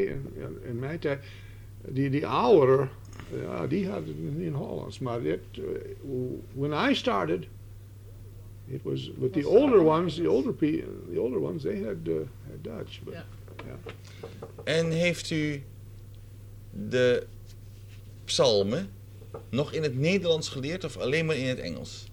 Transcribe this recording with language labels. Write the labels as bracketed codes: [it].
[nl] in mijn tijd, die ouderen, ja, die hadden het in Hollands. Maar dit, [en] when I started, it was with the older ones, the older ones, they had Dutch. But, yeah. Yeah. [nl] En heeft u de psalmen nog in het Nederlands geleerd of alleen maar in het Engels?